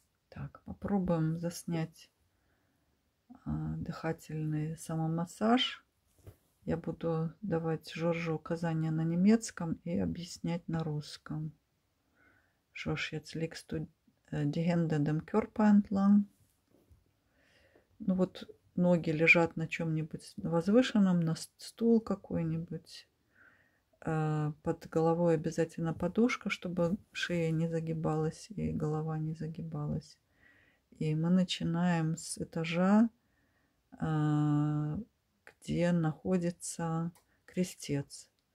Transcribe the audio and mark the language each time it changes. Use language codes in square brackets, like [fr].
[ru] Так, попробуем заснять дыхательный самомассаж. Я буду давать Жоржу указания на немецком и объяснять на русском. [de] Жорж, jetzt legst du die Hände dem Körper entlang. [ru] Ну вот ноги лежат на чем-нибудь возвышенном, на стул какой-нибудь. Под головой обязательно подушка, чтобы шея не загибалась и голова не загибалась. И мы начинаем с этажа, где находится крестец.